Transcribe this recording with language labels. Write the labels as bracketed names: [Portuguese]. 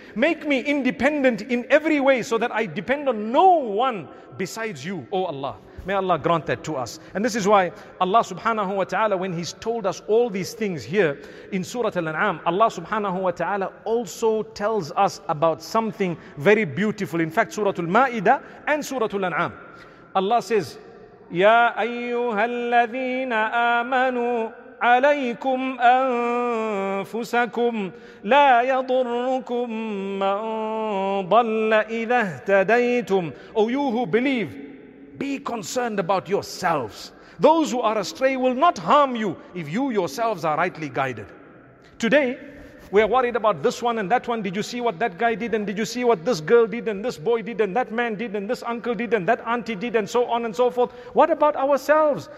[English] Make me independent in every way so that I depend on no one besides you. Oh Allah, May Allah grant that to us. And this is why Allah subhanahu wa ta'ala, when He's told us all these things here in Surah Al-An'am, Allah subhanahu wa ta'ala also tells us about something very beautiful. In fact, Surah Al-Ma'idah and Surah Al-An'am. Allah says, [Arabic] Ya ayyuhalladhina amanu عليكم أنفسكم لا يضركم من ضل إذا اهتديتم. [English] O you who believe, be concerned about yourselves. Those who are astray will not harm you if you yourselves are rightly guided. Today, we are worried about this one and that one. Did you see what that guy did? And did you see what this girl did? And this boy did? And that man did? And this uncle did? And that auntie did? And so on and so forth. What about ourselves?